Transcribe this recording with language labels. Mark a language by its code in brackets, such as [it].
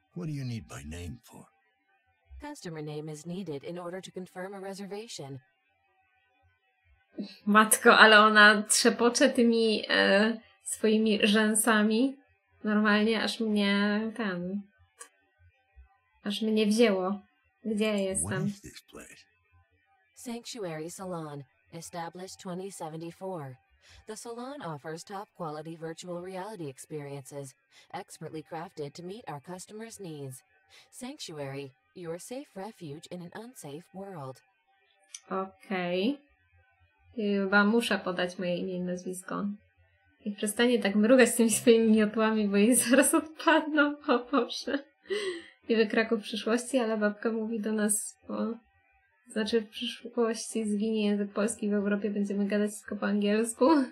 [en] What do you need by name for? Customer name is needed in order to confirm a reservation. [pl] Matko, ale ona trzepocze tymi swoimi rzęsami. Normalnie aż mnie tam. Aż mnie wzięło. Gdzie ja jestem? [en] What is this place? Sanctuary Salon, established 2074. The salon offers top quality virtual reality experiences, expertly crafted to meet our customers' needs. Sanctuary, your safe refuge in an unsafe world. [pl] Okej. Chyba muszę podać moje imię i nazwisko. I przestanie tak mrugać z tymi swoimi miotłami, bo jej zaraz odpadną. O Boże. Niby Kraków w przyszłości, ale babka mówi do nas, bo... Znaczy w przyszłości zginie język polski w Europie, będziemy gadać wszystko po angielsku.